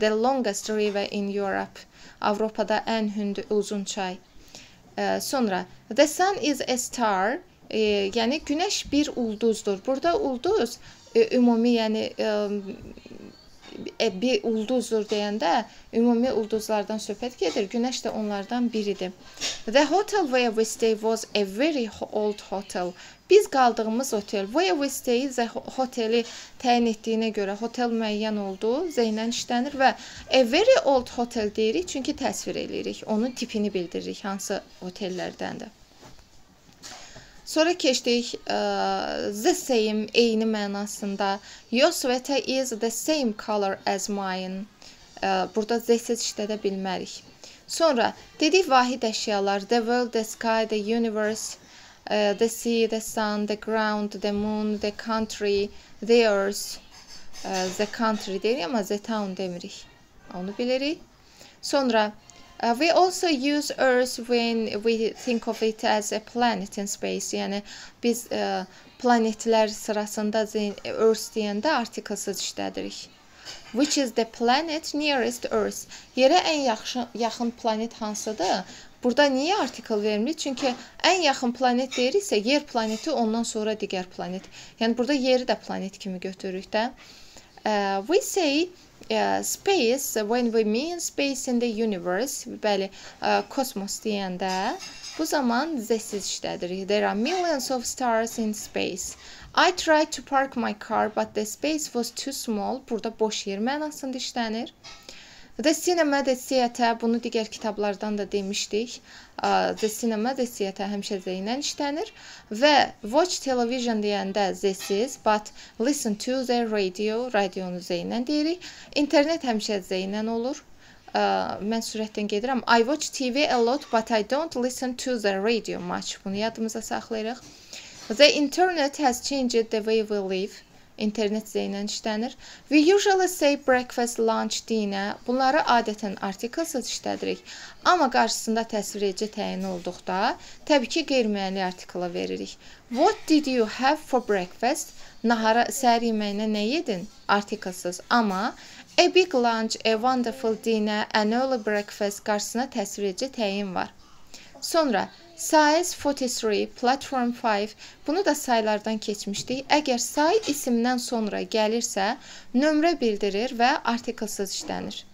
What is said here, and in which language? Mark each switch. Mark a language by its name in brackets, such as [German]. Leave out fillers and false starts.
[English] The longest river in Europe, [Azerbaijani] Avropada ən hündü, uzun çay. Sonra, [English] the sun is a star, [Azerbaijani] yəni günəş bir ulduzdur. Burada ulduz, ümumi, yəni bir ulduzdur deyəndə ümumi ulduzlardan söhbət gedir. Günəş də onlardan biridir. [English] The hotel where we stay was a very old hotel. [Azerbaijani] Biz qaldığımız otel, [English] where we stay, [Azerbaijani] the hoteli təyin etdiyinə görə hotel müəyyən oldu, zeynən işlənir və [English] a very old hotel [Azerbaijani] deyirik, çünki təsvir edirik. Onun tipini bildiririk, hansı otellərdəndir. Sonra keçdik, the same, eyni mənasında. [English] Your sweater is the same color as mine. [Azerbaijani] Burada z-siz işlədə bilmərik. Sonra, dedik vahid əşyalar, [English] the world, the sky, the universe, the sea, the sun, the ground, the moon, the country, the earth, the country [Azerbaijani] deyirik, amma [English] the town [Azerbaijani] demirik. Onu bilirik. Sonra, [English] we also use Earth when we think of it as a planet in space. [Azerbaijani] Yəni, biz planetlər sırasında Earth deyəndə artikılsız işlədirik. [English] Which is the planet nearest Earth? [Azerbaijani] Yerə ən yaxın planet hansıdır? Burada niyə artikl vermirik? Çünki ən yaxın planet deyiriksə, yer planeti, ondan sonra digər planet. Yəni, burada yeri də planet kimi götürürük də. [English] We say space, when we mean space in the universe, [Azerbaijani] bəli, kosmos deyəndə, bu zaman z-siz işlədirik. [English] There are millions of stars in space. I tried to park my car, but the space was too small. [Azerbaijani] Burada boş yer mənasında işlənir. [English] The cinema, the theater, [Azerbaijani] bunu digər kitablardan da demişdik. [English] The cinema, the theater [Azerbaijani] həmişə z ilə işlənir. Və [English] watch television [Azerbaijani] deyəndə z-siz, [English] but listen to the radio, [Azerbaijani] radionu z ilə deyirik. İnternet həmişə z ilə olur. Mən sürətlə gedirəm. [English] I watch TV a lot, but I don't listen to the radio much. [Azerbaijani] Bunu yadımıza saxlayırıq. [English] The internet has changed the way we live. [Azerbaijani] İnternet zeynə işlənir. [English] We usually say breakfast, lunch, dinner. [Azerbaijani] Bunları adətən artiklsız işlədirik. Amma qarşısında təsvir edici təyin olduqda, təbii ki, qeyri-müəyyənli artikla veririk. What did you have for breakfast? Nahara, səhər yeməyinə nə yedin? Artiklsız. Amma [English] a big lunch, a wonderful dinner, an early breakfast [Azerbaijani] qarşısına təsvir edici təyin var. Sonra [English] size 43, platform 5, [Azerbaijani] bunu da saylardan keçmişdik. Əgər say isimdən sonra gəlirsə, nömrə bildirir və artiklsız işlənir.